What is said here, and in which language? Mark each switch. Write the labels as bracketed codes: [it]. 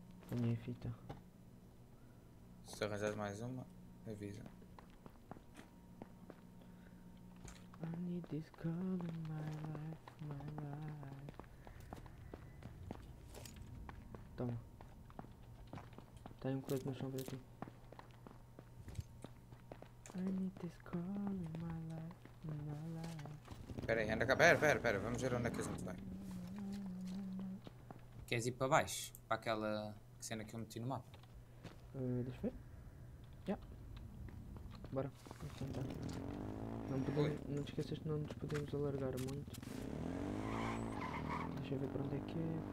[pt] Minha fita. Se arranjar mais uma, avisa. [en] I need this girl in my life, my life. [pt] Toma. Tá aí um colete no chão pra ti. [en] I need this girl in my life, my life. [pt] Espera aí, anda cá. Pera, vamos ver onde é que a gente vai. Queres ir para baixo? Para aquela cena que eu meti no mapa. Deixa eu ver. Bora, vamos tentar. Oi. Não te esqueças que não nos podemos alargar muito. Deixa eu ver para onde é que é.